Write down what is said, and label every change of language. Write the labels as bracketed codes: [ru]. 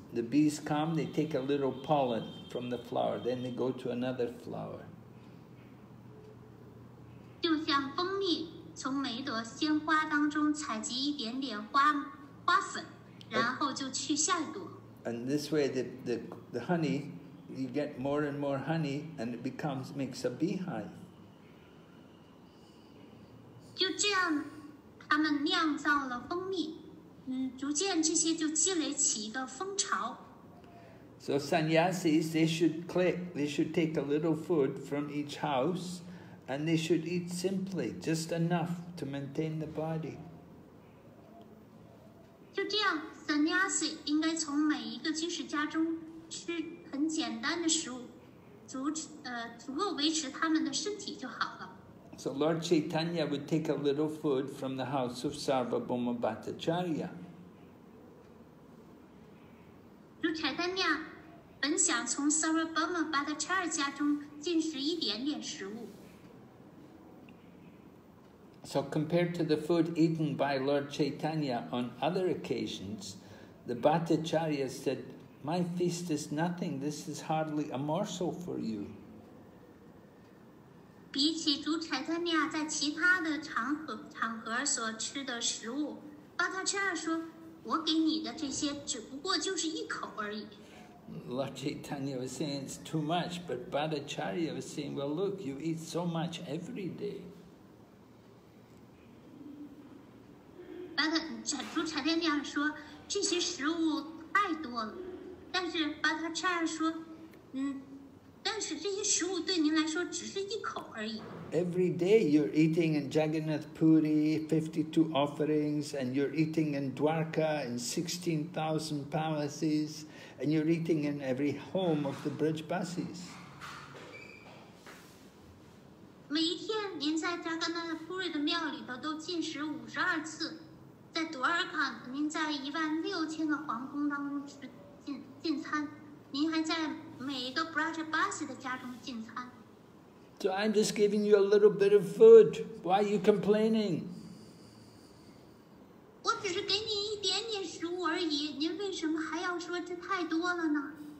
[en] The bees come, they take a little pollen from the flower, then they go to another flower. [zh] 就像蜂蜜从每一朵鲜花当中采集一点点 花粉，然后就去下一朵。 [en] And this way the honey, you get more and more honey, and it becomes, makes a beehive. [zh] 就这样，他们酿造了蜂蜜，逐渐这些就积累起一个蜂巢。 [en] So sannyasis, they should take a little food from each house, and they should eat simply, just enough to maintain the body. [zh] 就这样 ，sannyasi 应该从每一个居士家中吃很简单的食物，足够维持他们的身体就好了。 [en] So Lord Chaitanya would take a little food from the house of Sarvabhauma Bhattacharya. [zh] 如柴丹亚本想从 Sarvabhauma Bhattacharya 家中进食一点点食物。 [en] So compared to the food eaten by Lord Chaitanya on other occasions, the Bhattacharya said, "My feast is nothing. This is hardly a morsel for you." [zh] 比起如柴丹尼亚在其他的场合所吃的食物，巴塔恰尔说：“我给你的这些只不过就是一口而已。” [en] Lord Chaitanya was saying it's too much, but Bhattacharya was saying, "Well, look, you eat so much every day." [zh] 如柴丹尼亚说：“这些食物太多了。” 但是巴塔恰尔说：“但是这些食物对您来说只是一口而已。” [en] Every day you're eating in Jagannath Puri 52 offerings, and you're eating in Dwarka in 16,000 palaces, and you're eating in every home of the Brijbasis. [zh] 每一天您在 Jagannath Puri 的庙里头都进食52次，在 Dwarka 您在16,000个皇宫当中吃进餐，您还在每一个 Brajabasi 的家中进餐。 [en] So I'm just giving you a little bit of food. Why are you complaining? [zh] 我只是给你一点点食物而已，您为什么还要说这太多了呢？